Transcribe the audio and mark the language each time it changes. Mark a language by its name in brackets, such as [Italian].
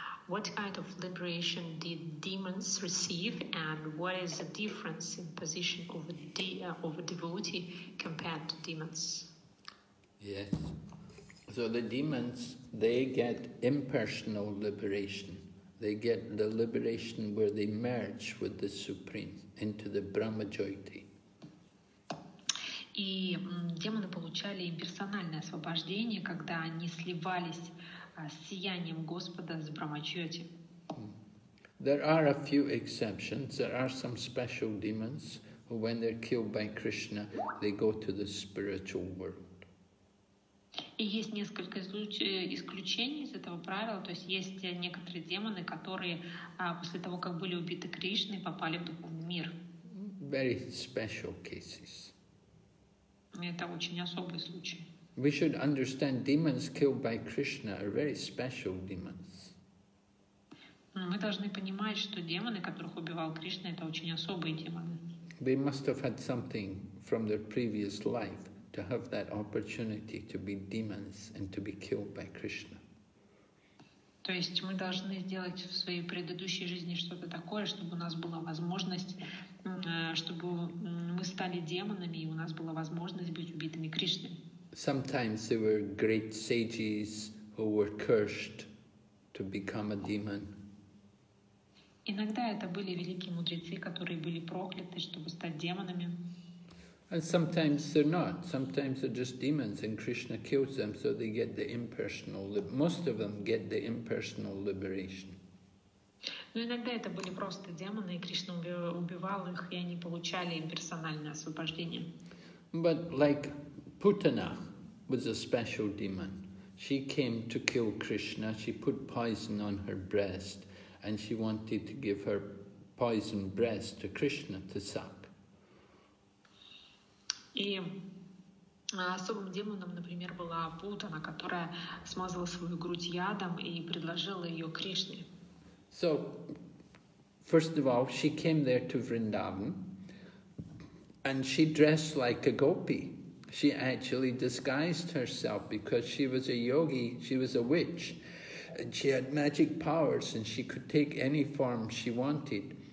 [English] What kind of liberation did demons receive, and what is the difference in position of a devotee compared to demons? Yes. So the demons, they get impersonal liberation. They get the liberation where they merge with the Supreme into the Brahma-jyoti. [Russian] И демоны получали имперсональное освобождение, когда они сливались с сиянием Господа, с Брахмачёти. [English] There are a few exceptions. There are some special demons who, when they're killed by Krishna, they go to the spiritual world. [Russian] И есть несколько исключений из этого правила. То есть есть некоторые демоны, которые после того, как были убиты Кришной, попали в духовный мир. [English] Very special cases. [Russian] Это очень особый случай. [English] We should understand demons killed by Krishna are very special demons. [Russian] Мы должны понимать, что демоны, которых убивал Кришна, это очень особые демоны. [English] They must have had something from their previous life to have that opportunity to be demons and to be killed by Krishna. [Russian] То есть мы должны сделать в своей предыдущей жизни что-то такое, чтобы у нас была возможность, чтобы мы стали демонами и у нас была возможность быть убитыми Кришной. [English] Sometimes there were great sages who were cursed to become a demon. [Russian] Иногда это были великие мудрецы, которые были прокляты, чтобы стать демонами. [English] And sometimes they're not. Sometimes they're just demons, and Krishna kills them, so they get the impersonal. Most of them get the impersonal liberation. [Russian] Но иногда это были просто демоны, и Кришна убивал их, и они получали имперсональное освобождение. [English] But like Putana was a special demon. She came to kill Krishna. She put poison on her breast and she wanted to give her poisoned breast to Krishna to suck. [Russian] И особым демоном, например, была Путана, которая смазала свою грудь ядом и предложила ее Кришне. [English] So, first of all, she came there to Vrindavan and she dressed like a gopi. She actually disguised herself because she was a yogi, she was a witch, and she had magic powers and she could take any form she wanted.